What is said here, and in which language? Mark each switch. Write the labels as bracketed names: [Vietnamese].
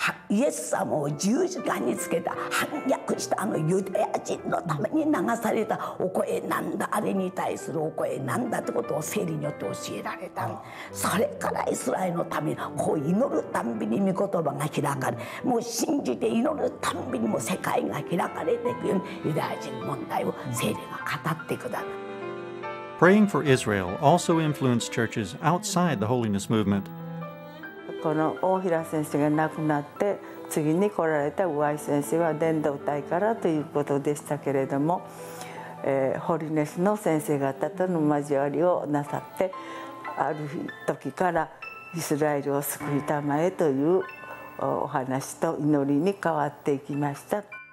[Japanese] イエス様を十字架につけた反逆したあのユダヤ人のために流されたお声なんだ、あれに対するお声なんだってことを聖霊によって教えられた。それからイスラエルのためにこう祈るたんびに御言葉が開かれ、もう信じて祈るたんびにも世界が開かれていくように、ユダヤ人問題を聖霊が語ってくださる。 [English] Praying for Israel also influenced churches outside the holiness movement。 [Japanese] この大平先生が亡くなって次に来られた上井先生は伝道隊からということでしたけれども、ホリネスの先生方との交わりをなさって、ある時からイスラエルを救いたまえというお話と祈りに変わっていきました。